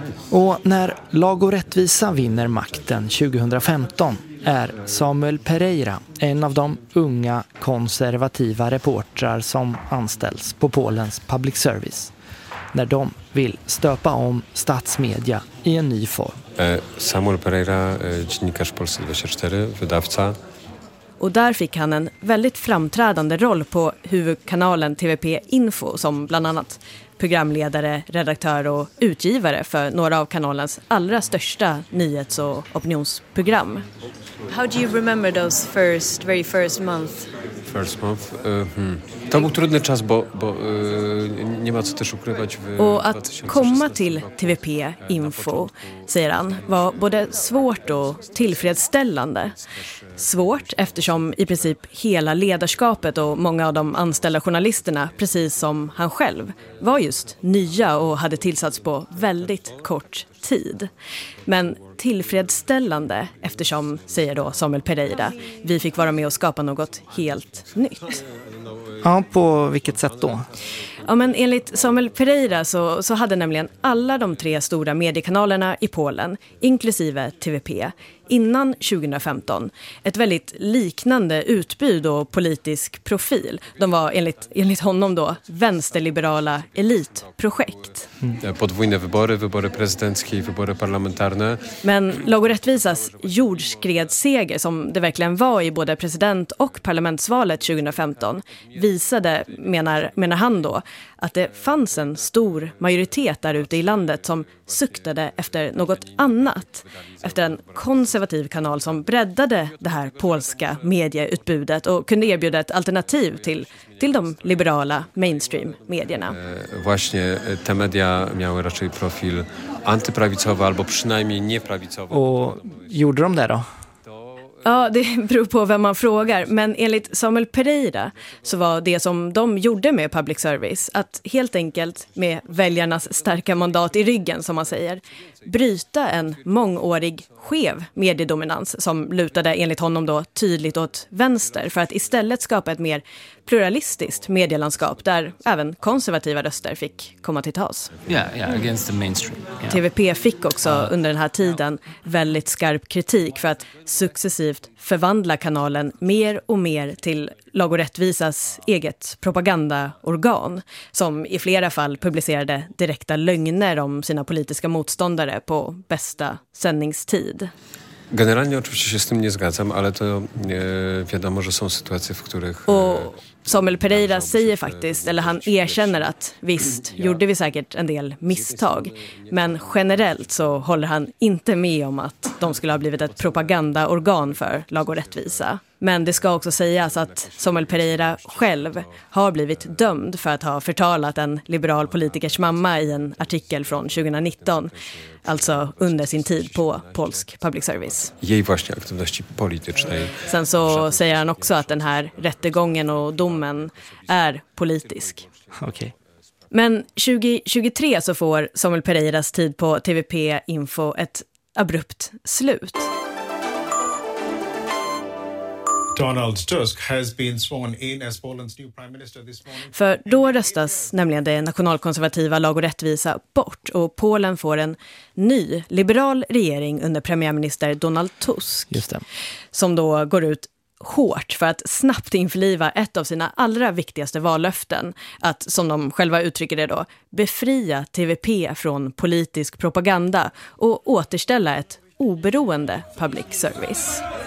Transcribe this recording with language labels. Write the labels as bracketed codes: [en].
[sv] Och när Lag och rättvisa vinner makten 2015 är Samuel Pereira en av de unga konservativa reportrar som anställs på Polens public service när de vill stöpa om statsmedia i en ny form. [pl] Samuel Pereira, dziennikarz Polski 24, wydawca. [sv] Och där fick han en väldigt framträdande roll på huvudkanalen TVP Info som bland annat programledare, redaktör och utgivare för några av kanalens allra största nyhets- och opinionsprogram. [en] How do you remember those very first month? First month. [pl] To był trudny czas, bo nie ma co też ukrywać. [sv] Och att komma till TVP Info, säger han, var både svårt och tillfredsställande. Svårt eftersom i princip hela ledarskapet och många av de anställda journalisterna, precis som han själv, var just nya och hade tillsatts på väldigt kort tid. Men tillfredsställande eftersom, säger då Samuel Pereira, vi fick vara med och skapa något helt nytt. Ja, på vilket sätt då? Ja, men enligt Samuel Pereira så hade nämligen alla de tre stora mediekanalerna i Polen, inklusive TVP, innan 2015 ett väldigt liknande utbud och politisk profil. De var enligt honom då vänsterliberala elitprojekt. [pl] Podwójne wybory, wybory prezydenckie, wybory parlamentarne. [sv] Men Lag och rättvisas jordskredsseger, som det verkligen var i både president- och parlamentsvalet 2015, visade, menar han då, att det fanns en stor majoritet där ute i landet som suktade efter något annat. Efter en konservativ kanal som breddade det här polska medieutbudet och kunde erbjuda ett alternativ till de liberala mainstream-medierna. [pl] Właśnie te media miały raczej profil antyprawicowy albo przynajmniej nieprawicowy. [sv] Och gjorde de det då? Ja, det beror på vem man frågar. Men enligt Samuel Pereira så var det som de gjorde med public service att helt enkelt med väljarnas starka mandat i ryggen, som man säger, bryta en mångårig skev mediedominans som lutade enligt honom då tydligt åt vänster, för att istället skapa ett mer pluralistiskt medielandskap där även konservativa röster fick komma till tals. [en] Yeah, against the mainstream. Yeah. [sv] TVP fick också under den här tiden väldigt skarp kritik för att successivt förvandla kanalen mer och mer till Lag och rättvisas eget propagandaorgan, som i flera fall publicerade direkta lögner om sina politiska motståndare på bästa sändningstid. [pl] Generalnie oczywiście się z tym nie zgadzam, ale to wiadomo, że są sytuacje, w których... [sv] Och Samuel Pereira säger faktiskt, eller han erkänner att visst, gjorde vi säkert en del misstag. Men generellt så håller han inte med om att de skulle ha blivit ett propagandaorgan för Lag och rättvisa. Men det ska också sägas att Samuel Pereira själv har blivit dömd för att ha förtalat en liberal politikers mamma i en artikel från 2019, alltså under sin tid på polsk public service. [pl] Jej właśnie aktywności politycznej. [sv] Sen så säger han också att den här rättegången och domen är politisk. Okej. Men 2023 så får Samuel Pereiras tid på TVP Info ett abrupt slut. [en] Donald Tusk has been sworn in as Poland's new prime minister this morning. [sv] För då röstas nämligen det nationalkonservativa Lag och rättvisa bort och Polen får en ny liberal regering under premiärminister Donald Tusk. Just det. Som då går ut hårt för att snabbt införliva ett av sina allra viktigaste vallöften, att, som de själva uttrycker det då, befria TVP från politisk propaganda och återställa ett oberoende public service.